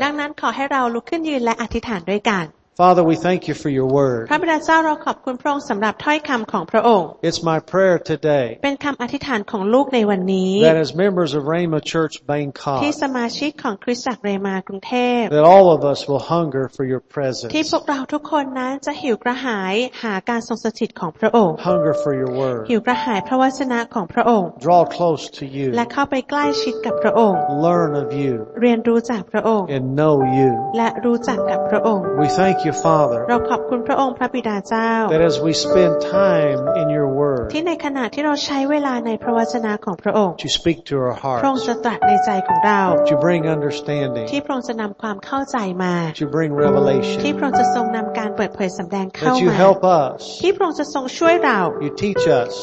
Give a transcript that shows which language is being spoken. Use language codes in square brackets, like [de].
[th] ดังนั้นขอให้เราลุกขึ้นยืนและอธิษฐานด้วยกัน [en] Father, we thank you for your word. [th] พระบิดาเจ้าเราขอบคุณพระองค์สำหรับถ้อยคำของพระองค์ [en] It's my prayer today. [th] เป็นคำอธิษฐานของลูกในวันนี้ [en] That as members of Rhema Church Bangkok. [th] ที่สมาชิกของคริสตจักรเรมากรุงเทพ [en] That all of us will hunger for your presence. [th] ที่พวกเราทุกคนนั้นจะหิวกระหายหาการทรงสถิตของพระองค์ [en] Hunger for your word. [th] หิวกระหายพระวจนะของพระองค์ [en] Draw close to you. [th] และเข้าไปใกล้ชิดกับพระองค์ [en] Learn of you. [th] เรียนรู้จากพระองค์ [en] And know you. [th] และรู้จักกับพระองค์ [en] We thank you. [th] เราขอบคุณพระองค์พระบิดาเจ้า [en] That as we spend time in your word [th] ที่ในขณะที่เราใช้เวลาในพระวจนะของพระองค์ [en] To speak to our hearts [th] พระองค์จะตรัสในใจของเรา [en] To bring understanding [th] ที่พระองค์จะนำความเข้าใจมา [en] To bring revelation [th] ที่พระองค์จะทรงนำการเปิดเผยสำแดงเข้ามา [en] That you help us [th] ที่พระองค์จะทรงช่วยเรา [en] You teach us